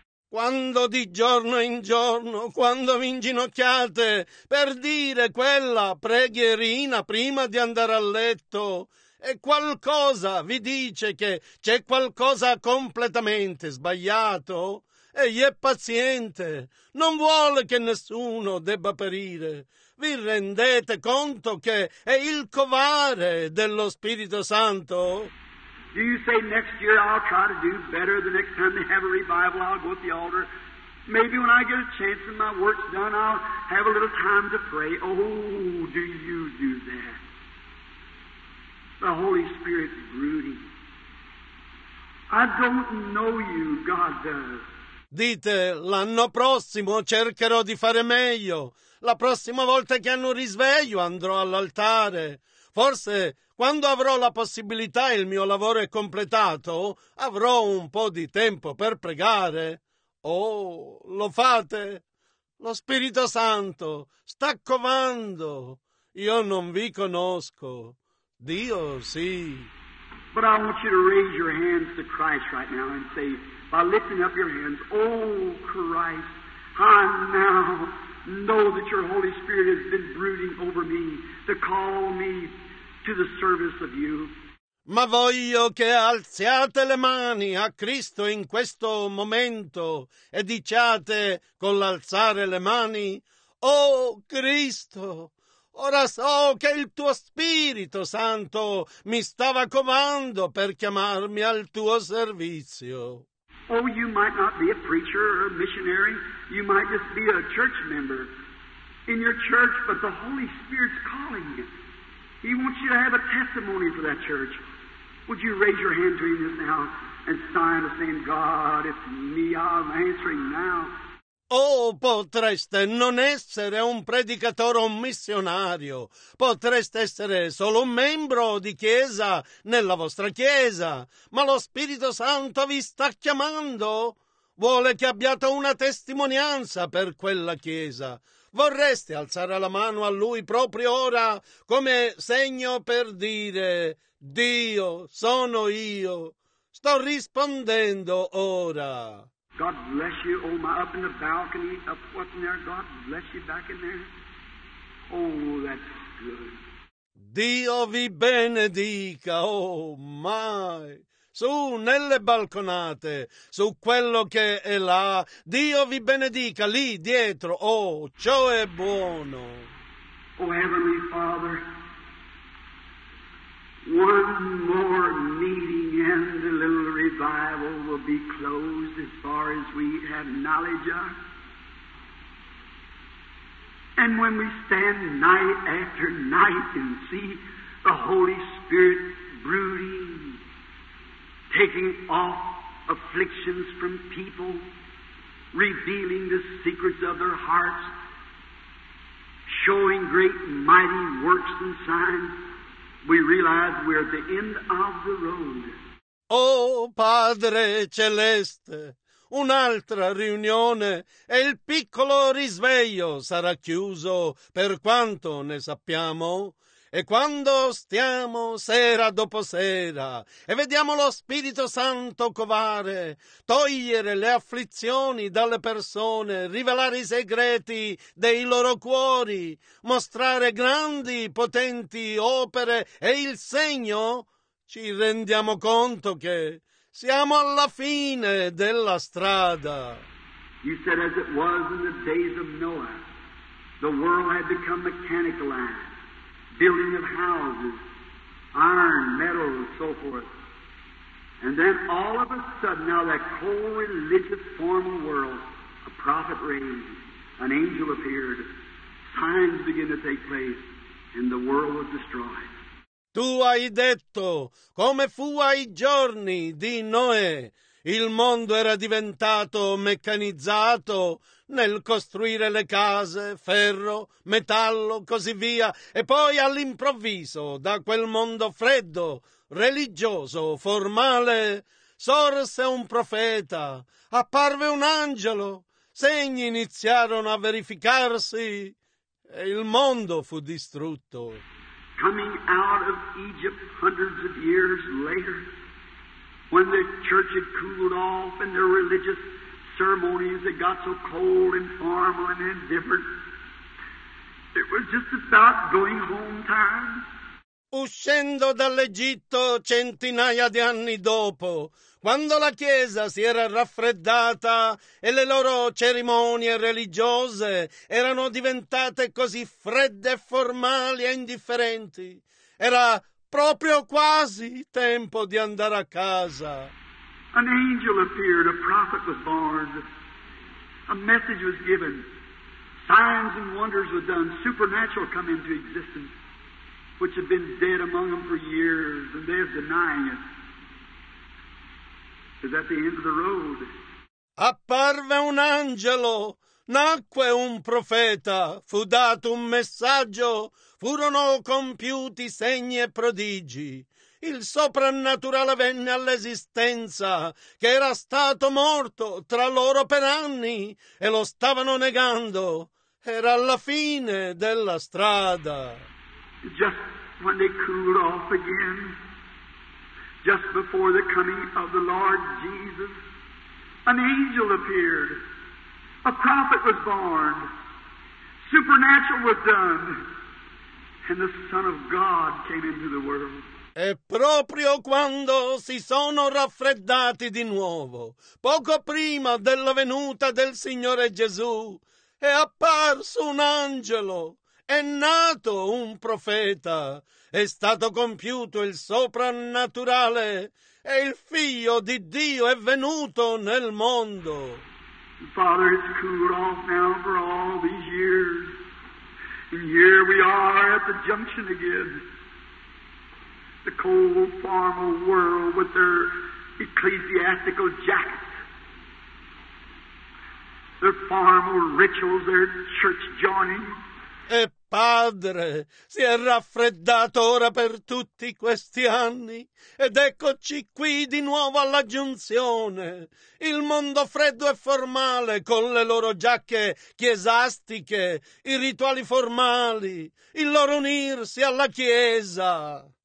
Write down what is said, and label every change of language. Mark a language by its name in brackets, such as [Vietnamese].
[Italian] Quando di giorno in giorno, quando vi inginocchiate per dire quella preghierina prima di andare a letto, e qualcosa vi dice che c'è qualcosa completamente sbagliato, egli è paziente, non vuole che nessuno debba perire. Vi rendete conto che è il covare dello Spirito Santo? [English] Do you say next year I'll try to do better, the next time they have a revival I'll go at the altar. Maybe when I get a chance and my work's done I'll have a little time to pray. Oh, do you do that? The Holy Spirit's brooding. I don't know you, God does. [Italian] Dite, l'anno prossimo cercherò di fare meglio. La prossima volta che hanno risveglio andrò all'altare. Forse, quando avrò la possibilità e il mio lavoro è completato, avrò un po' di tempo per pregare. Oh, lo fate? Lo Spirito Santo sta covando. Io non vi conosco. Dio sì. [English] But I want you to raise your hands to Christ right now and say, by lifting up your hands, oh Christ, I now know that your Holy Spirit has been brooding over me to call me to the service of you. [Italian] Ma voglio che alziate le mani a Cristo in questo momento e diciate con l'alzare le mani, oh Cristo, ora so che il tuo Spirito Santo mi stava covando per chiamarmi al tuo servizio. [English] Oh, you might not be a preacher or a missionary. You might just be a church member in your church, but the Holy Spirit's calling you. He wants you to have a testimony for that church. Would you raise your hand to Him just now and sign the same, God, it's me, I'm answering now. [Italian] Oh, potreste non essere un predicatore o un missionario. Potreste essere solo un membro di chiesa nella vostra chiesa. Ma lo Spirito Santo vi sta chiamando. Vuole che abbiate una testimonianza per quella chiesa. Vorreste alzare la mano a Lui proprio ora come segno per dire «Dio, sono io, sto rispondendo ora». [English] God bless you, oh my, up in the balcony, up what's in there, God bless you back in there. Oh, that's good. [Italian] Dio vi benedica, [English] oh my! [Italian] Su, nelle balconate, su quello che è là, Dio vi benedica, lì, dietro, oh, ciò è buono. [English] Oh, Heavenly Father, one more meeting and the little revival will be closed as far as we have knowledge of. And when we stand night after night and see the Holy Spirit brooding, taking off afflictions from people, revealing the secrets of their hearts, showing great and mighty works and signs, we realize we're at the end of the road. [Italian] Oh, Padre Celeste, un'altra riunione e il piccolo risveglio sarà chiuso per quanto ne sappiamo. E quando stiamo sera dopo sera e vediamo lo Spirito Santo covare, togliere le afflizioni dalle persone, rivelare i segreti dei loro cuori, mostrare grandi, potenti opere e il segno, ci rendiamo conto che siamo alla fine della strada. [English] You said as it was in the days of Noah, the world had become mechanicalized. Building of houses, iron, metal, and so forth. And then all of a sudden, now that cold, religious, formal world, a prophet raised, an angel appeared, signs began to take place, and the world was destroyed. [Italian] Tu hai detto, come fu ai giorni di Noè, il mondo era diventato meccanizzato nel costruire le case, ferro, metallo, così via, e poi all'improvviso, da quel mondo freddo, religioso, formale, sorse un profeta, apparve un angelo, segni iniziarono a verificarsi, e il mondo fu distrutto. [English] Coming out of Egypt hundreds of years later, when the church had cooled off and their religious ceremonies that got so cold and formal and indifferent. It was just about going home time. [Italian] Uscendo dall'Egitto centinaia di anni dopo, quando la Chiesa si era raffreddata e le loro cerimonie religiose erano diventate così fredde, formali e indifferenti, era proprio quasi tempo di andare a casa. [English] An angel appeared, a prophet was born, a message was given, signs and wonders were done, supernatural come into existence, which had been dead among them for years, and they're denying it. Is that the end of the road? [Italian] Apparve un angelo, nacque un profeta, fu dato un messaggio, furono compiuti segni e prodigi. Il soprannaturale venne all'esistenza, che era stato morto tra loro per anni e lo stavano negando. Era alla fine della strada. [English] Just when they cooled off again, just before the coming of the Lord Jesus, an angel appeared. A prophet was born. Supernatural was done. And the Son of God came into the world. [Italian] E proprio quando si sono raffreddati di nuovo, poco prima della venuta del Signore Gesù, è apparso un angelo, è nato un profeta, è stato compiuto il soprannaturale, e il Figlio di Dio è venuto nel mondo. [English] Father, it's cooled off now for all these years, and here we are at the junction again. The cold, formal world with their ecclesiastical jackets, their formal rituals, their church joining. [Italian] E padre, si è raffreddato ora per tutti questi anni, ed eccoci qui di nuovo alla giunzione. Il mondo freddo e formale, con le loro giacche chiesastiche, i rituali formali, il loro unirsi alla Chiesa.